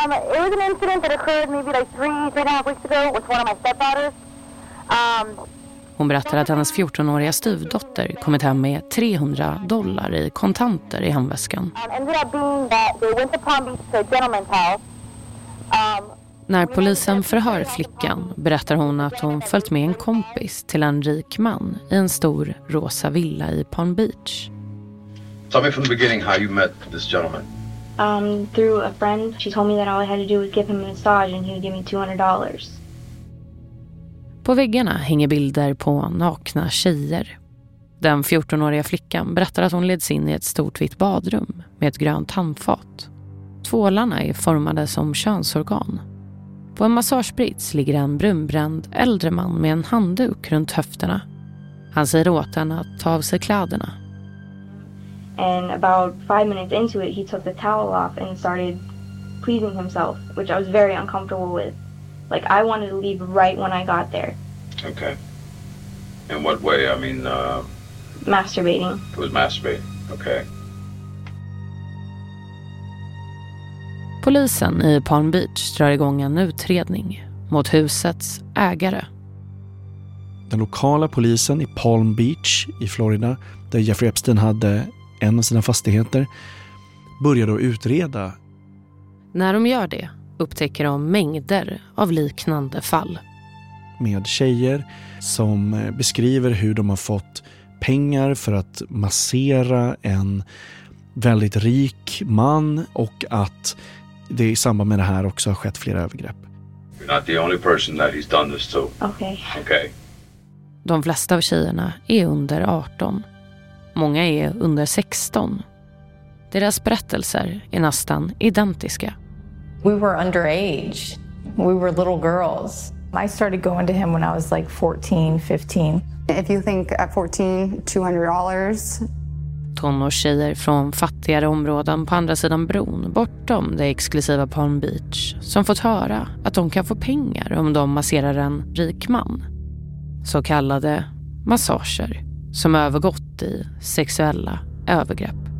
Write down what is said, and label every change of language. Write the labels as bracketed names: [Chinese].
[English] It was an incident that occurred maybe like 3.5 weeks ago with one of my stepdaughters. [Swedish] Hon berättar att hennes 14-åriga stuvdotter kommit hem med $300 i kontanter i handväskan. [English] Ended up being that they went to Palm Beach to a gentleman's house. [Swedish] När polisen förhör flickan berättar hon att hon följt med en kompis till en rik man i en stor rosa villa i Palm Beach. [English] Tell me from the beginning how you met this gentleman. Through a friend, she told me that all I had to do was give him a massage and he would give me $200. [Swedish] På väggarna hänger bilder på nakna tjejer. Den 14-åriga flickan berättar att hon leds in i ett stort vitt badrum med ett grönt handfat. Tvålarna är formade som könsorgan. På en massagebrits ligger en brunbränd äldre man med en handduk runt höfterna. Han säger åt henne att ta av sig kläderna. [English] And about 5 minutes into it, he took the towel off and started pleasing himself, which I was very uncomfortable with. Like, I wanted to leave right when I got there. Okay. In what way? I mean, masturbating. It was masturbating. Okay. [Swedish] Polisen i Palm Beach drar igång en utredning mot husets ägare. Den lokala polisen i Palm Beach i Florida, där Jeffrey Epstein hade en av sina fastigheter, började att utreda. När de gör det upptäcker de mängder av liknande fall. Med tjejer som beskriver hur de har fått pengar för att massera en väldigt rik man och att det i samband med det här också har skett flera övergrepp. [English] You're not the only person that he's done this to. Okay. [Swedish] De flesta av tjejerna är under 18. Många är under 16. Deras berättelser är nästan identiska. [English] We were underage. We were little girls. I started going to him when I was like 14, 15. If you think at 14, $200. [Swedish] Tonårstjejer från fattigare områden på andra sidan bron, bortom det exklusiva Palm Beach, som fått höra att de kan få pengar om de masserar en rik man. Så kallade massager som övergått i sexuella övergrepp.